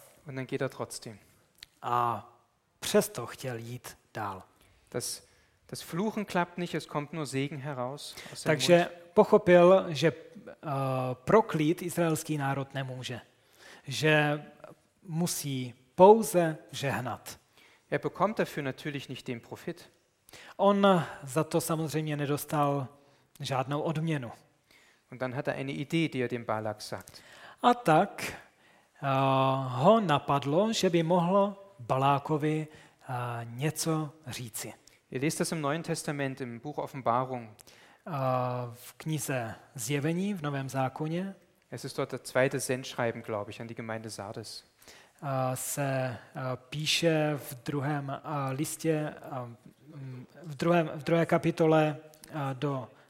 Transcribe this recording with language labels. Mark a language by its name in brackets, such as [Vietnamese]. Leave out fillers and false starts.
[German] Und dann geht er trotzdem. [Czech] A přesto chtěl jít dál. [German] Das Fluchen klappt nicht, es kommt nur Segen heraus. [Czech] Takže pochopil, že proklít izraelský národ nemůže. Že musí pouze žehnat. [German] Er bekommt dafür natürlich nicht den Profit. [Czech] On za to samozřejmě nedostal žádnou odměnu. [German] Und dann hat er eine Idee, die er dem Balak sagt. [Czech] A tak ho napadlo, že by mohlo Balákovi něco říci. [German] Ihr lest das im Neuen Testament im Buch Offenbarung. [Czech] V knize Zjevení v Novém zákoně. [German] Es ist dort das zweite Sendschreiben, glaube ich, an die Gemeinde Sardes. [Czech] Se píše v druhém listě v druhé kapitole do